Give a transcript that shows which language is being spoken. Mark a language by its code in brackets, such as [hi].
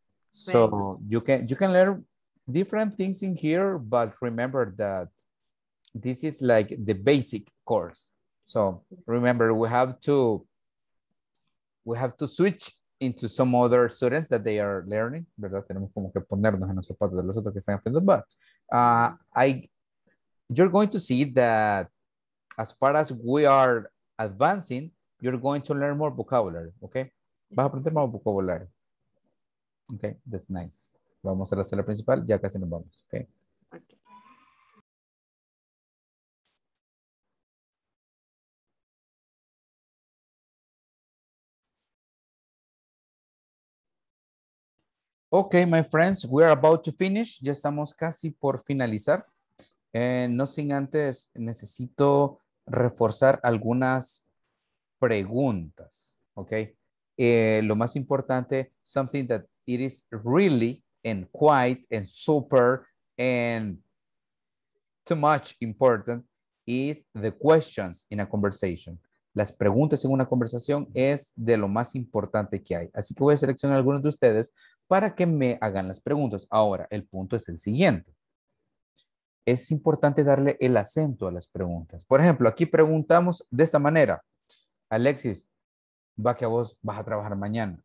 [en] So thanks. you can learn different things in here, but remember that this is like the basic course. So remember, we have to switch into some other students that they are learning. [es] ¿Verdad? Tenemos como que ponernos en los zapatos de los otros que están aprendiendo. [en] But you're going to see that as far as we are advancing, you're going to learn more vocabulary, okay? [es] Vas a aprender más vocabulario. [en] Okay, that's nice. [es] Vamos a la sala principal, ya casi nos vamos, okay? [en] Okay, my friends, we are about to finish. [es] Ya estamos casi por finalizar. No sin antes, necesito reforzar algunas preguntas, okay? Lo más importante, [en] something that it is really and quite and super and too much important is the questions in a conversation. [es] Las preguntas en una conversación es de lo más importante que hay. Así que voy a seleccionar algunos de ustedes para que me hagan las preguntas. Ahora, el punto es el siguiente. Es importante darle el acento a las preguntas. Por ejemplo, aquí preguntamos de esta manera. Alexis, ¿va que a vos vas a trabajar mañana?